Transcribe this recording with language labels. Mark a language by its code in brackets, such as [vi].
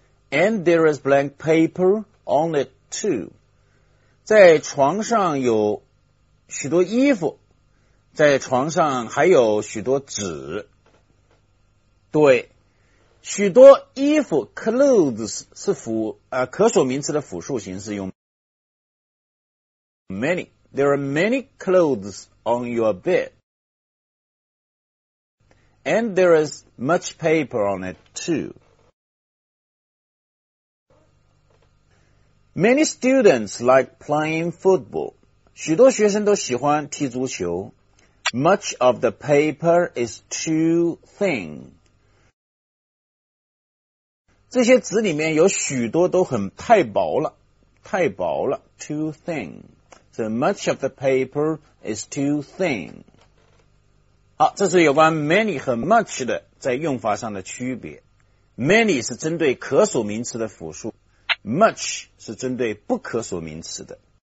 [en] And there is blank paper on it too. [zh] 在床上有许多衣服，在床上还有许多纸。对，许多衣服 clothes 是可数名词的复数形式，用 [en] many. There are many clothes on your bed. And there is much paper on it, too. Many students like playing football. [zh] 许多学生都喜欢踢足球。 [en] Much of the paper is too thin. [zh] 这些纸里面有许多都很太薄了。太薄了。 [en] Too thin. So much of the paper is too thin. [zh] 好，这是有关 many 和 much 的在用法上的区别。 many 是针对可数名词的复数， much 是针对不可数名词的。